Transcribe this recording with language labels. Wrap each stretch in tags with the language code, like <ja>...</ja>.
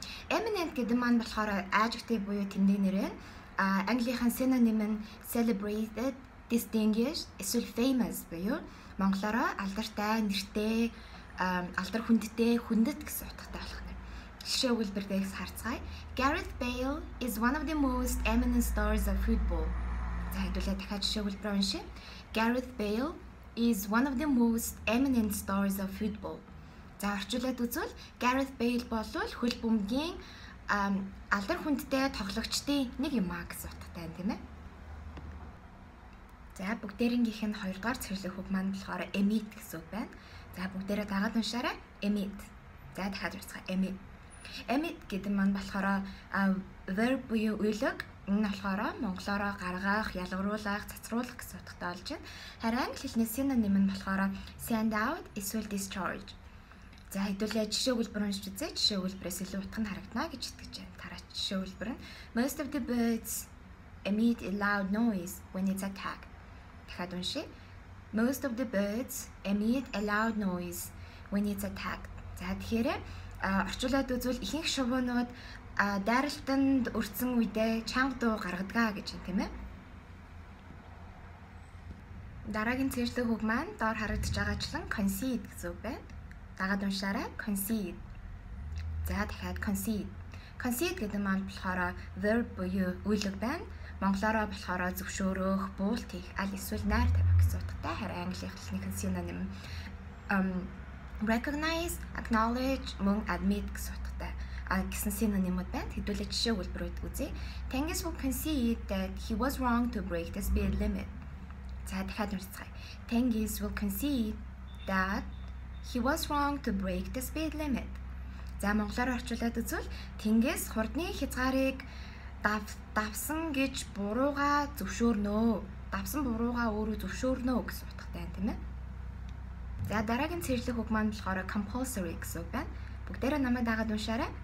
<mn>Imminent гэдэг маань болохоор adjective буюу тэмдэг нэр ээ. Английн synonym нь celebrated, distinguished, эсвэл famous буюу монголоор алдартай, нэртэй, алдар хүндтэй, хүндэт гэсэн утгатай болох юм. Жишээгээр бүрдээс харцгаая.</mn> <en>Gareth Bale is one of the most eminent stars of football.</en> <mn>За хэдүүлээ дахиад жишээгээр уншъя.</mn> <en>Gareth Bale is one of the most eminent stars of football.</en> <mn>За орчуулад үзвэл Gareth Bale бол хөл бөмбөгийн алдар хүндтэй тоглогчдын нэг юм аа гэсэн утгатай байна, тийм ээ. За бүгдээрийнх нь хоёрдугаар цэвэрлэх хөг маань болохоор emit гэсэн үг байна. За бүгдээрээ дагаад уншаарай. Emit. За дахиад уншъя. Emit. Emit гэдэг нь маань болохоор verb буюу үйлэг. Энэ нь болохоор монголоор гаргах, ялгаруулах, цацруулах гэсэн утгатай болж байна. Харин англи хэлний synonym нь болохоор send out эсвэл discharge. За хэдүүлээ жишээ хэлбэр уншиж үзье. Жишээ хэлбэрээс илүү утга нь харагдана гэж итгэж байна. Тараач жишээ хэлбэр нь</mn> <en>most of the birds emit a loud noise when it's attacked.</en> <mn>Дахиад уншъя.</mn> <en>Most of the birds emit a loud noise when it's attacked.</en> <mn>За тэгэхээр орчуулад үзвэл ихэнх шувуунууд дайралтанд өртсөн үедээ чанга дуу гаргадаг гэж байна, тийм ээ. Дараагийн цэвэрлэх үг маань доор харагдаж байгаачлан concede гэсэн үг байна. Дагаад уншаарай. Concede. За дахиад concede. Concede гэдэг нь болохоор verb буюу үйлэг байна. Монголоор болохоор зөвшөөрөх, буулт хийх, аль эсвэл найр тавих гэсэн утгатай. Харин англи хэлнийх нь synonym recognize, acknowledge, мөн admit гэсэн утгатай. Гэсэн synonym-уд байна. Хэдүүлээ жишээ хэлбэр үзье.</mn> <en>Tengiz would concede that he was wrong to break the speed limit.</en> <mn>За дахиад уншицгаая.</mn> <en>Tengiz will concede that he was wrong to break the speed limit.</en> <mn>За монголоор орчуулад үзвэл Тэнгэс хурдны хязгаарыг давсан гэж бурууга зөвшөөрнө. Давсан бурууга өөрөө зөвшөөрнө гэсэн утгатай байна, тийм ээ. За дараагийн цэвэрлэх үг маань болохоор compulsory гэсэн үг байна. Бүгдээрээ намайг дагаад уншаарай.</mn>